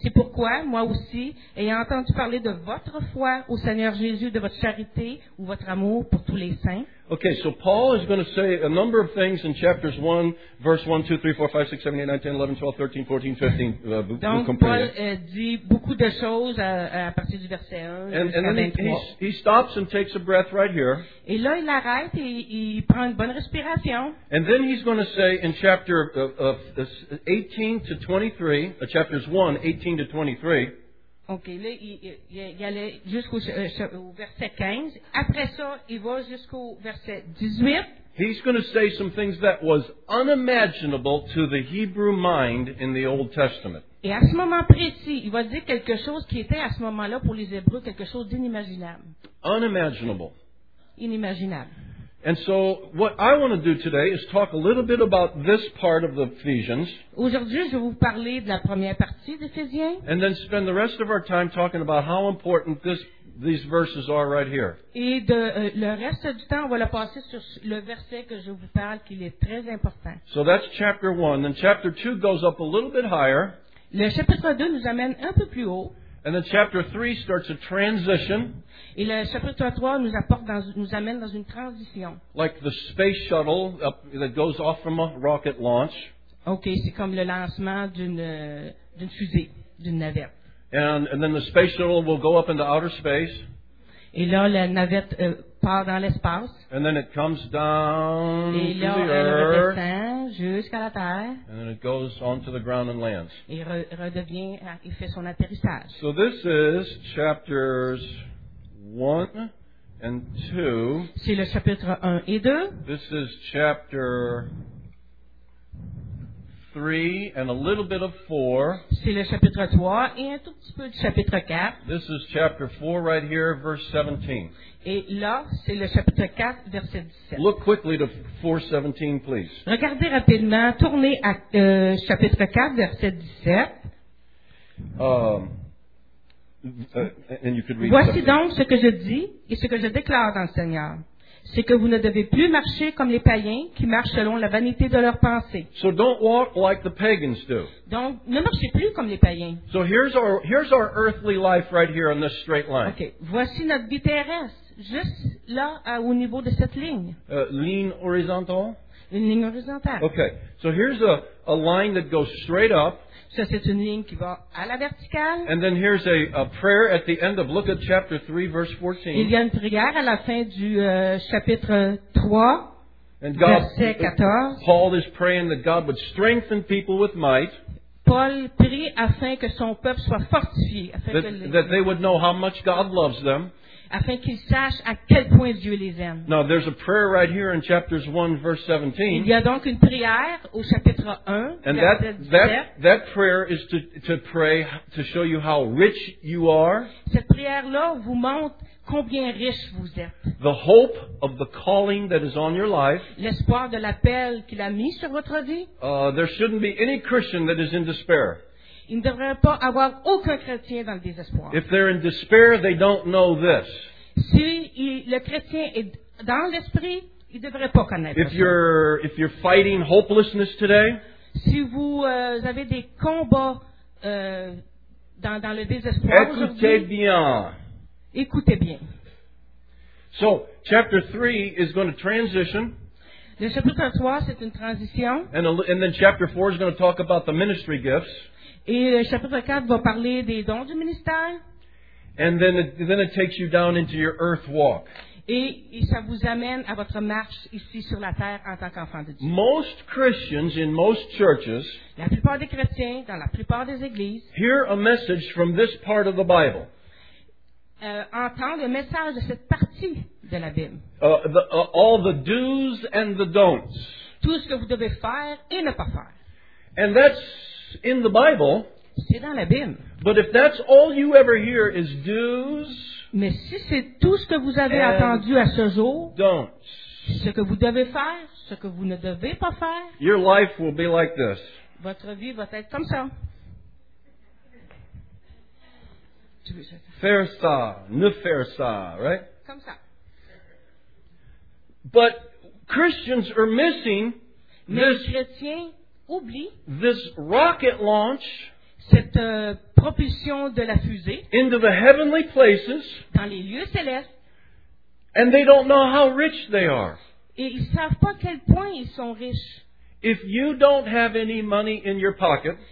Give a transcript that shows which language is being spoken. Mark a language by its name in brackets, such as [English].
[French] C'est pourquoi, moi aussi, ayant entendu parler de votre foi au Seigneur Jésus, de votre charité ou votre amour pour tous les saints. [English] Okay, so Paul is going to say a number of things in chapters 1, verse 1, 2, 3, 4, 5, 6, 7, 8, 9, 10, 11, 12, 13, 14, 15. [French] Donc, Paul dit beaucoup de choses à partir du verset 1 jusqu'à 23. [English] He stops and takes a breath right here. [French] Et là, il arrête et il prend une bonne respiration. [English] And then he's going to say in chapter 18 to 23, chapters 1, 18 to 23, [French] OK, là, il allait jusqu'au verset 15. Après ça, il va jusqu'au verset 18. [English] He's going to say some things that was unimaginable to the Hebrew mind in the Old Testament. [French] Et à ce moment précis, il va dire quelque chose qui était à ce moment-là pour les Hébreux quelque chose d'inimaginable. [English] Unimaginable. [French] Inimaginable. [English] And so, what I want to do today is talk a little bit about this part of the Ephesians. [French] Aujourd'hui, je vais vous parler de la première partie d'Éphésiens. [English] And then spend the rest of our time talking about how important these verses are right here. [French] Et de, le reste du temps, on va le passer sur le verset que je vous parle, qui est très important. [English] So that's chapter 1. Then chapter 2 goes up a little bit higher. [French] Le chapitre 2 nous amène un peu plus haut. [English] And then chapter 3 starts a transition. [French] Et le chapitre 3 nous amène dans une transition. [English] Like the space shuttle that goes off from a rocket launch. [French] Okay, c'est comme le lancement d'une fusée, d'une navette. [English] And then the space shuttle will go up into outer space. [French] Et là, la navette part dans l'espace. [English] And then it comes down [French] Et là, [English] to the earth. [French] Elle redescend jusqu'à la terre. [English] And then it goes onto the ground and lands. [French] Et redevient, il fait son atterrissage. [English] So this is chapters 1 and 2. [French] C'est le chapitre 1 et 2. [English] This is chapter 3 and a little bit of 4. [French] C'est le chapitre 3 et un tout petit peu du chapitre 4. [English] This is chapter 4 right here, verse 17. [French] Et là, c'est le chapitre 4, verset 17. [English] Look quickly to 4:17, please. [French] Regardez rapidement, tournez à chapitre 4, verset 17. [English] And you could read [French] Voici donc ce que je dis et ce que je déclare dans le Seigneur. C'est que vous ne devez plus marcher comme les païens qui marchent selon la vanité de leurs pensées. [English] So don't walk like the pagans do. [French] Donc, ne marchez plus comme les païens. [English] So here's our earthly life right here on this straight line. Okay. [French] Voici notre vie terrestre, juste là au niveau de cette ligne. Ligne horizontale? Une ligne horizontale. [English] Okay. So here's a line that goes straight up. [French] Ça, c'est une ligne qui va à la verticale. [English] And then here's a prayer at the end of, look at chapter 3, verse 14. [French] Il y a une prière à la fin du chapitre 3, [English] and God, [French] verset 14. [English] Paul is praying that God would strengthen people with might. [French] Paul prie afin que son peuple soit fortifié. [English] That they would know how much God loves them. [French] Afin qu'ils sachent à quel point Dieu les aime. [English] Now, there's a prayer right here in chapters 1, verse 17. [French] Il y a donc une prière au chapitre 1, [English] and [French] verset 17. [English] That prayer is to pray to show you how rich you are. [French] Cette prière-là vous montre combien riche vous êtes. [English] The hope of the calling that is on your life. [French] L'espoir de l'appel qu'il a mis sur votre vie. [English] There shouldn't be any Christian that is in despair. [French] Il ne devrait pas avoir aucun chrétien dans le désespoir. [English] If they're in despair, they don't know this. [French] Si le chrétien est dans l'esprit, il ne devrait pas connaître ça. [English] If you're fighting hopelessness today, [French] si vous avez des combats dans le désespoir aujourd'hui, écoutez bien. [English] So, chapter 3 is going to transition. [French] Le chapitre 3, c'est une transition. [English] And then chapter 4 is going to talk about the ministry gifts. [French] Et le chapitre 4 va parler des dons du ministère. [English] And then it takes you down into your earth walk. [French] Et ça vous amène à votre marche ici sur la terre en tant qu'enfant de Dieu. [English] Most Christians in most churches, [French] la plupart des chrétiens dans la plupart des églises, [English] hear a message from this part of the Bible. [French] Entend le message de cette partie de la Bible. [English] All the do's and the don'ts. [French] Tout ce que vous devez faire et ne pas faire. [English] And that's in the Bible. [French] C'est dans la Bible. [English] But if that's all you ever hear is do's, [French] mais si c'est tout ce que vous avez entendu à ce jour, [English] don'ts, [French] ce que vous devez faire, ce que vous ne devez pas faire. [English] Your life will be like this. [French] Votre vie va être comme ça. Faire ça, ne faire ça, [English] right? [French] Comme ça. [English] But Christians are missing this rocket launch, [French] cette propulsion de la fusée, [English] into the heavenly places, [French] dans les lieux célestes, [English] and they don't know how rich they are. [French] Et ils savent pas quel point ils sont riches. [English] If you don't have any money in your pocket,